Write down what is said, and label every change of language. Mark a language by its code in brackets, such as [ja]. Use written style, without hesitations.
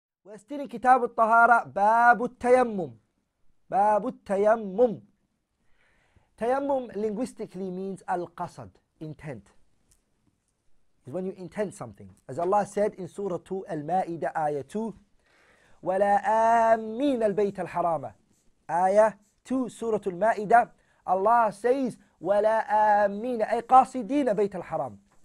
[ar] واستني كتاب الطهارة باب التيمم. باب التيمم. [en] تيمم linguistically means القصد, intent. It's when you intend something. As Allah said in Surah 2, المائدة آية 2, ولا آمين البيت الحرام. [ar] آية 2, سورة المائدة. Allah says, ولا آمين أي قاصدين بيت الحرام.